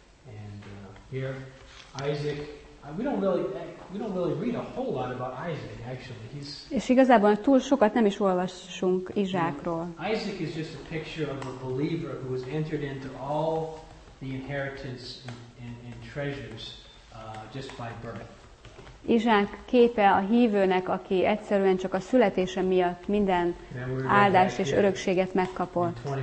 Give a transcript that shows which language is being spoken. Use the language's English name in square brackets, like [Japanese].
[English] And here Isaac, we don't really read a whole lot about Isaac actually. He's [Hungarian] És igazából túl sokat nem is olvasunk Izsákról. [English] Isaac is just a picture of a believer who has entered into all the inheritance and treasures just by birth. [Hungarian] Izsák képe a hívőnek, aki egyszerűen csak a születése miatt minden áldást és örökséget megkapott.